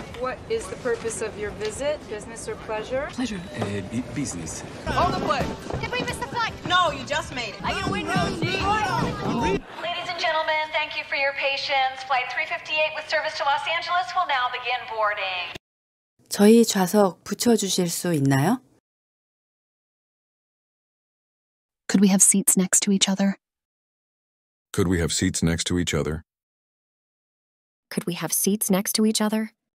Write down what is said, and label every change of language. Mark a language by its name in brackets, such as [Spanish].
[English] What is the purpose of your visit, business or pleasure? Pleasure. Business. Hold the plane. Did we miss the flight? No, you just made it. I can win no deal. Ladies and gentlemen, thank you for your patience. Flight 358 with service to Los Angeles will now begin boarding. [Korean] 저희 좌석 붙여주실 수 있나요? [English] Could we have seats next to each other? Could we have seats next to each other? Could we have seats next to each other?